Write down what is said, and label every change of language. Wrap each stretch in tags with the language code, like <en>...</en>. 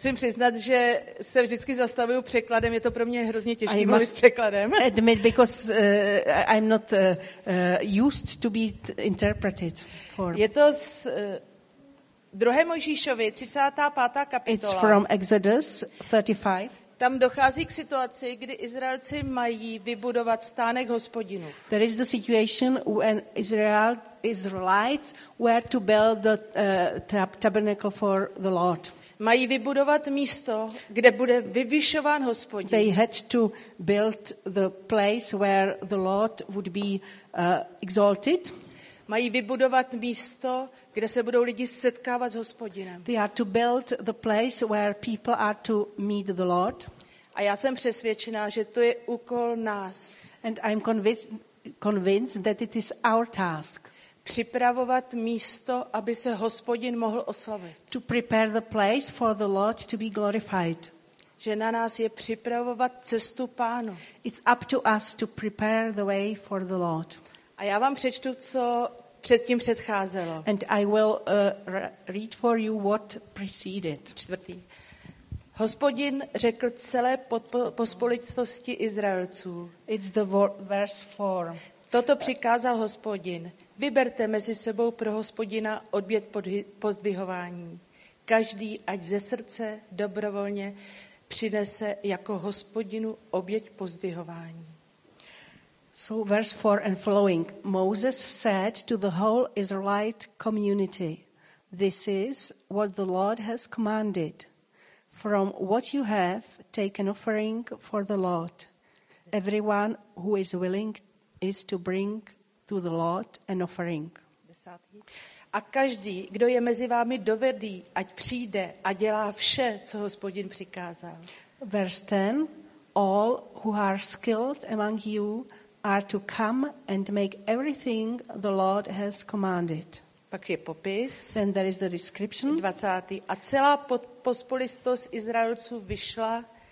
<cs>Musím přiznat, že se vždycky zastavuju překladem, je to pro mě hrozně těžké mluvit s překladem.</cs> <en>Admit because I'm not used to be interpreted for.</en> <cs>Je to z 2. Mojžíšovi 35. kapitola.</cs> <en>It's from Exodus 35.</en> <cs>Tam dochází k situaci, kdy Izraelci mají vybudovat stánek Hospodinu.</cs> <en>There is the situation when Israelites were to build the tabernacle for the Lord.</en> <cs>Mají vybudovat místo, kde bude vyvyšován Hospodin.</cs> <en>They had to build the place where the Lord would be exalted.</en> <cs>Mají vybudovat místo, kde se budou lidi setkávat s Hospodinem.</cs> <en>They are to build the place where people are to meet the Lord.</en> <cs>A já jsem přesvědčená, že to je úkol nás.</cs> <en>And I'm convinced that it is our task.</en> <cs>Připravovat místo, aby se Hospodin mohl oslavit.</cs> <en>To prepare the place for the Lord to be glorified.</en> <cs>Že na nás je připravovat cestu Pánu.</cs> <en>It's up to us to prepare the way for the Lord.</en> <cs>A já vám přečtu, co předtím předcházelo.</cs> <en>And I will read for you what preceded.</en> <cs>4. Hospodin řekl celé pospolitosti Izraelců.</cs> <en>It's the verse 4.</en> <cs>Toto přikázal Hospodin. Vyberte mezi sebou pro Hospodina oběť pozdvihování. Každý, ať ze srdce, dobrovolně, přinese jako Hospodinu oběť pozdvihování.</cs> <en>So verse 4 and following. Moses said to the whole Israelite community, this is what the Lord has commanded. From what you have, take an offering for the Lord. Everyone who is willing is to bring to the Lord an offering.</en> <cs>A každý, kdo je mezi vámi dovedý, ať přijde a dělá vše, co Hospodin přikázal.</cs> <en>Verse 10. All who are skilled among you are to come and make everything the Lord has commanded.</en> <cs>Pak je popis.</cs> <en>Then there is the description.</en> <cs>20. A celá pospolitost Izraelců vyšla.</cs>